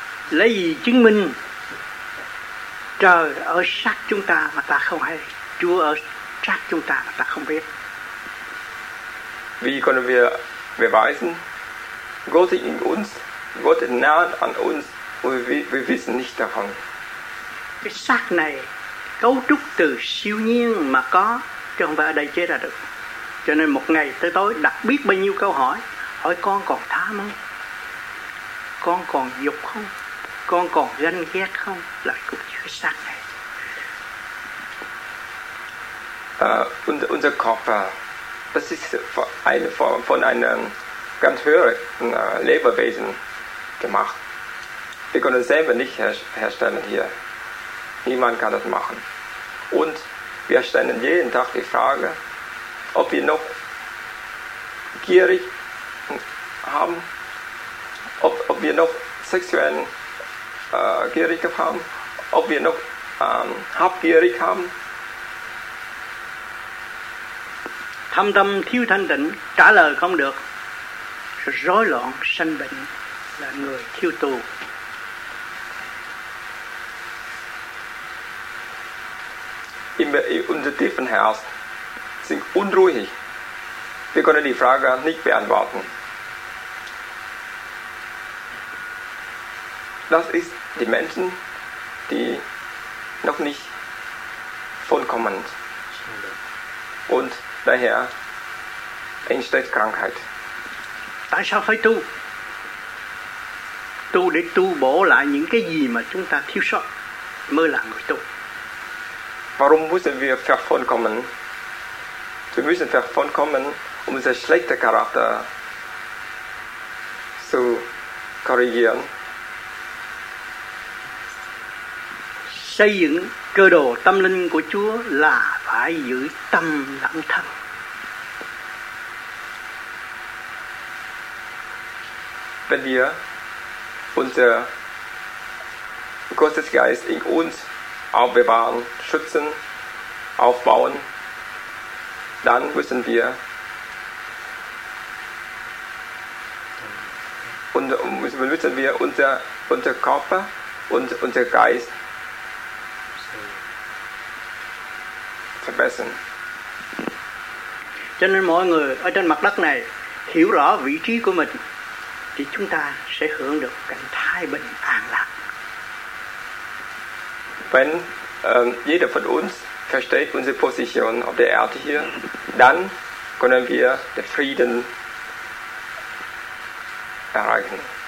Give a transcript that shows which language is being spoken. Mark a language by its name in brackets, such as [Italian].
[Vietnamese] Lấy gì chứng minh trời ở sát chúng ta mà ta không hay, Chúa ở sát chúng ta mà ta không biết? [German] Wie können wir beweisen, Gott ist in uns, Gott ist nah an uns, und wir wissen nicht davon? [Vietnamese] Cái xác này cấu trúc từ siêu nhiên mà có, chứ không phải ở đây chế ra được. Cho nên một ngày tới tối đặt biết bao nhiêu câu hỏi, hỏi con còn tham không? Con còn dục không? Con còn ganh ghét không? Là cũng như cái xác này. [German] Unser Körper, das ist von einem ganz höheren Lebewesen gemacht. Wir können es selber nicht herstellen hier. Niemand kann das machen. Und wir stellen jeden Tag die Frage, ob wir noch gierig haben, ob wir noch sexuellen gierig haben, ob wir noch habgierig haben. [Vietnamese] Thâm tâm thiếu thanh tịnh, trả lời không được. Rối loạn, sanh bệnh, là người thiêu tù. [German] In unserem tiefen Herz sind unruhig. Wir können die Frage nicht beantworten. Das ist die Menschen, die noch nicht vollkommen und daher entsteht Krankheit. [Vietnamese] Tại sao phải tu? Tu để tu bổ lại những cái gì mà chúng ta thiếu sót mới là người tu. [German] Warum müssen wir vervollkommen? Wir müssen vervollkommen, um unser schlechter Charakter zu korrigieren. [Vietnamese] Xây dựng cơ đồ tâm linh của Chúa là phải giữ tâm lặng thầm. [German] Wenn wir unser Gottes Geist in uns aufbewahren, schützen, aufbauen, dann müssen wir unser Körper und unser Geist verbessern. [Vietnamese] Cho nên mọi người ở trên mặt đất này hiểu rõ vị trí của mình, thì chúng ta sẽ hưởng được cảnh thái bình an lạc. [German] Wenn jeder von uns versteht unsere Position auf der Erde hier, dann können wir den Frieden erreichen.